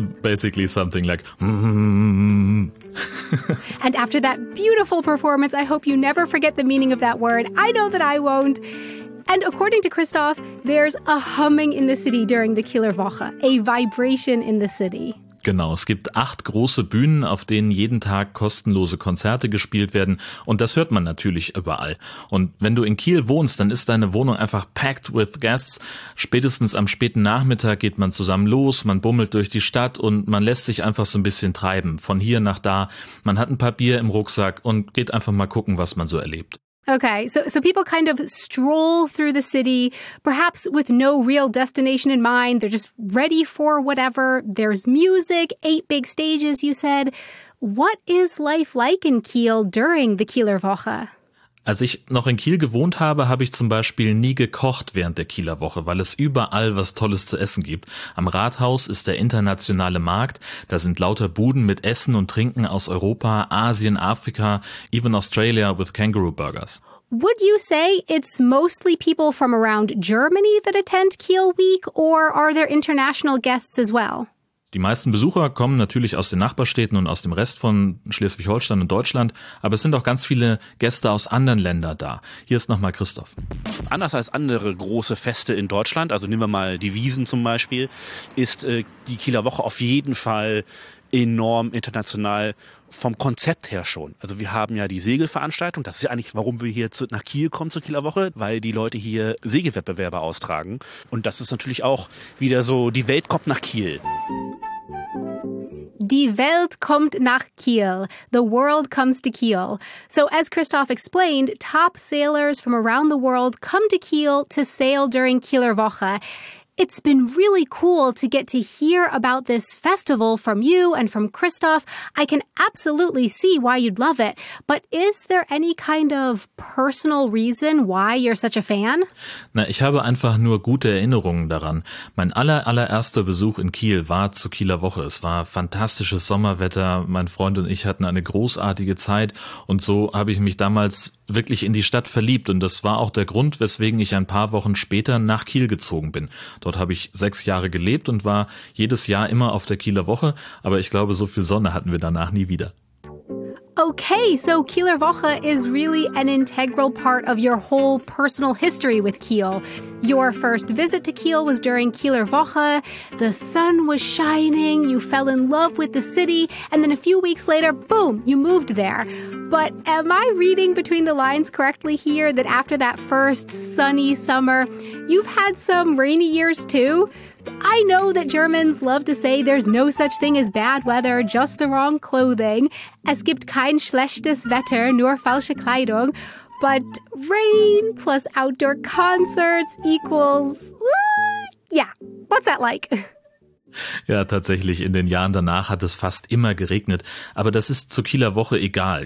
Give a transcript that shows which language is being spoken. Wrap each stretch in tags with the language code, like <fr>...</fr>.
<en>Basically something like And after that beautiful performance, I hope you never forget the meaning of that word. I know that I won't. And according to Christoph, there's a humming in the city during the Kieler Woche, a vibration in the city.</en> <de>Genau, es gibt 8 große Bühnen, auf denen jeden Tag kostenlose Konzerte gespielt werden. Und das hört man natürlich überall. Und wenn du in Kiel wohnst, dann ist deine Wohnung einfach</de> <en>packed with guests.</en> <de>Spätestens am späten Nachmittag geht man zusammen los, man bummelt durch die Stadt und man lässt sich einfach so ein bisschen treiben. Von hier nach da, man hat ein paar Bier im Rucksack und geht einfach mal gucken, was man so erlebt.</de> <en>Okay, so people kind of stroll through the city, perhaps with no real destination in mind. They're just ready for whatever. There's music, 8 big stages, you said. What is life like in Kiel during the Kieler Woche?</en> <de>Als ich noch in Kiel gewohnt habe, habe ich zum Beispiel nie gekocht während der Kieler Woche, weil es überall was Tolles zu essen gibt. Am Rathaus ist der internationale Markt. Da sind lauter Buden mit Essen und Trinken aus Europa, Asien, Afrika,</de> <en>even Australia with kangaroo burgers. Would you say it's mostly people from around Germany that attend Kiel Week or are there international guests as well?</en> <de>Die meisten Besucher kommen natürlich aus den Nachbarstädten und aus dem Rest von Schleswig-Holstein und Deutschland, aber es sind auch ganz viele Gäste aus anderen Ländern da. Hier ist nochmal Christoph. Anders als andere große Feste in Deutschland, also nehmen wir mal die Wiesn zum Beispiel, ist die Kieler Woche auf jeden Fall enorm international vom Konzept her schon. Also wir haben ja die Segelveranstaltung, das ist ja eigentlich, warum wir hier nach Kiel kommen zur Kieler Woche, weil die Leute hier Segelwettbewerbe austragen. Und das ist natürlich auch wieder so, die Welt kommt nach Kiel. Die Welt kommt nach Kiel.</de> <en>The world comes to Kiel. So as Christoph explained, top sailors from around the world come to Kiel to sail during Kieler Woche. It's been really cool to get to hear about this festival from you and from Christoph. I can absolutely see why you'd love it. But is there any kind of personal reason why you're such a fan?</en> <de>Na, ich habe einfach nur gute Erinnerungen daran. Mein allererster Besuch in Kiel war zur Kieler Woche. Es war fantastisches Sommerwetter. Mein Freund und ich hatten eine großartige Zeit. Und so habe ich mich damals wirklich in die Stadt verliebt. Und das war auch der Grund, weswegen ich ein paar Wochen später nach Kiel gezogen bin. Dort habe ich 6 Jahre gelebt und war jedes Jahr immer auf der Kieler Woche. Aber ich glaube, so viel Sonne hatten wir danach nie wieder.</de> <en>Okay, so Kieler Woche is really an integral part of your whole personal history with Kiel. Your first visit to Kiel was during Kieler Woche. The sun was shining, you fell in love with the city, and then a few weeks later, boom, you moved there. But am I reading between the lines correctly here that after that first sunny summer, you've had some rainy years too? I know that Germans love to say there's no such thing as bad weather, just the wrong clothing.</en> <de>Es gibt kein schlechtes Wetter, nur falsche Kleidung.</de> <en>But rain plus outdoor concerts equals... Yeah, what's that like?</en> <de>Ja, tatsächlich, in den Jahren danach hat es fast immer geregnet. Aber das ist zur Kieler Woche egal.</de>